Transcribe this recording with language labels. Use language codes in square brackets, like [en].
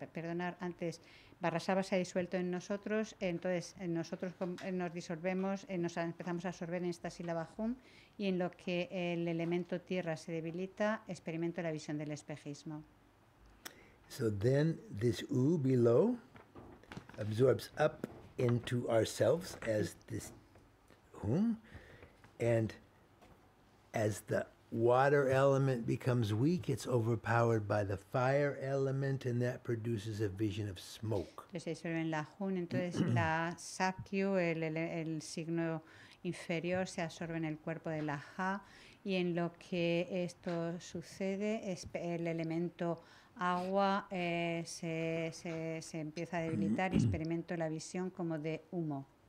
[es] Perdonar, antes, Vajrasattva se ha disuelto en nosotros, entonces nosotros nos disolvemos, nos empezamos a absorber en esta sílaba HUM, y en lo que el elemento tierra se debilita, experimento la visión del espejismo. [en] So then this U below absorbs up into ourselves as this HUM, and as the water element becomes weak, it's overpowered by the fire element, and that produces a vision of smoke. [es] Entonces, en la HUM, entonces la Sakyu, el signo inferior, se absorbe en el cuerpo de la Ha, y en lo que esto sucede, es el elemento agua se empieza a debilitar y experimento la visión como de humo.